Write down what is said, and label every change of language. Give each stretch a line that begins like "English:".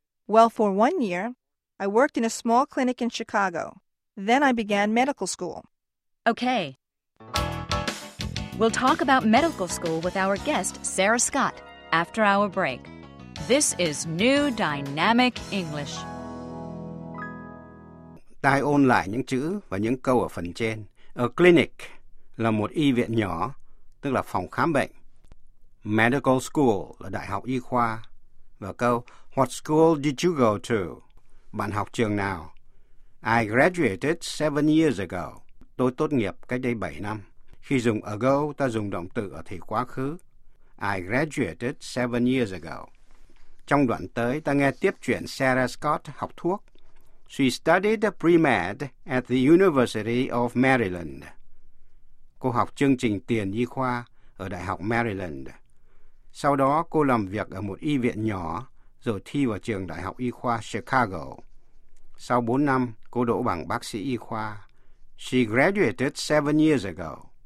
English: Well, for 1 year, I worked in a small clinic in Chicago. Then I began medical school. Okay. We'll talk about medical school with our guest, Sarah Scott, after our break. This is New Dynamic English.
Vietnamese: Tai ôn lại những chữ và những câu ở phần trên.
English: A clinic
Vietnamese: là một y viện nhỏ, tức là phòng khám bệnh. Medical school là đại học y khoa. Và câu
English: What school did you go to?
Vietnamese: Bạn học trường nào?
English: I graduated 7 years ago.
Vietnamese: Tôi tốt nghiệp cách đây 7 năm. Khi dùng ago, ta dùng động từ ở thể quá khứ.
English: I graduated 7 years ago.
Vietnamese: Trong đoạn tới, ta nghe tiếp chuyện Sarah Scott học thuốc.
English: She studied pre-med at the University of Maryland.
Vietnamese: Cô học chương trình tiền y khoa ở Đại học Maryland. Sau đó, cô làm việc ở một y viện nhỏ, rồi thi vào trường Đại học Y khoa Chicago. Sau 4 năm, cô đỗ bằng bác sĩ y khoa.
English: She graduated 7 years ago.